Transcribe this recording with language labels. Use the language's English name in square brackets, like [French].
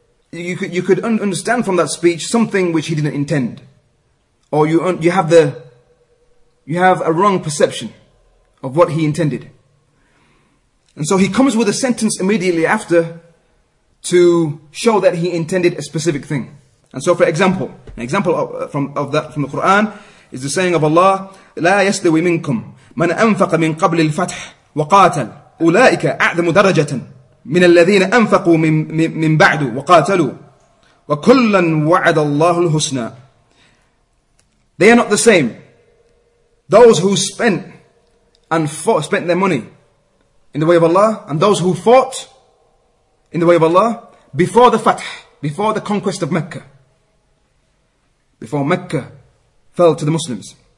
[English] You could understand from that speech something which he didn't intend, or you have a wrong perception of what he intended. And so he comes with a sentence immediately after to show that he intended a specific thing. And so, for example, an example from the Quran is the saying of Allah: [Arabic] لا يستوي منكم من أنفق من قبل الفتح وقاتل أولئك أعظم درجة من الذين أنفقوا من بعد وقاتلوا وكلا وعد الله الحسنى. [English] They are not the same. Those who spent their money in the way of Allah and those who fought in the way of Allah before the fatḥ, before the conquest of Mecca, before Mecca fell to the Muslims.